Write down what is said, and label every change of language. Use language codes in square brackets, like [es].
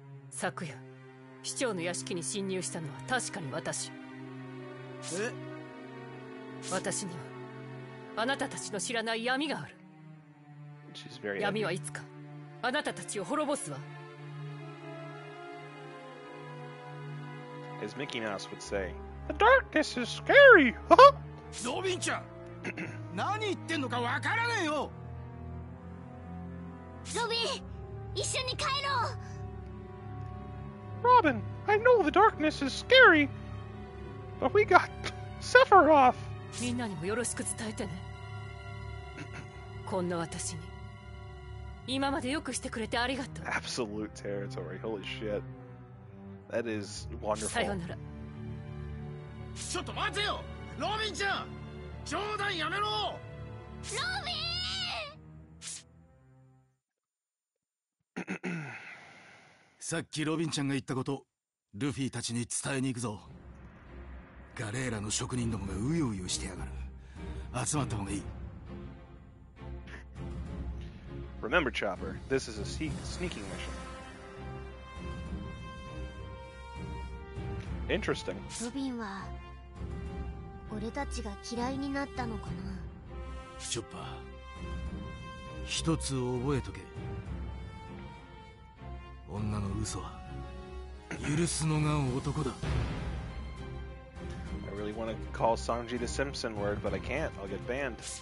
[ja] 昨夜、市長の屋敷に侵入したのは確かに私。え？私には、あなたたちの知らない闇がある。闇はいつか、あなたたちを滅ぼすわ。 [en] As Mickey Mouse would say, the darkness is scary, huh? [ja] ロビンちゃん、何言ってんのかわからねえよ。ロビン、一緒に帰ろう。 [en] Robin, I know the darkness is scary, but we got Sephiroth. [ja] みんなにもよろしく伝えてね。こんな私に、今までよくしてくれてありがとう。 [en] Absolute territory, holy shit. That is wonderful. [ja] さよなら。ちょっと待てよ、ロビンちゃん。冗談やめろ。ロビン。さっきロビンちゃんが言ったこと、ルフィたちに伝えに行くぞ。ガレーラの職人どもがうようよしてやがる。集まった方がいい。 [en] Remember, Chopper, this is a sneaking mission. Interesting. [ja] ロビンは俺たちが嫌いになったのかな。チョッパー、一つ覚えとけ。女の嘘は許すのが男だ。 [en] I really want to call Sanji the Simpson word, but I can't. I'll get banned.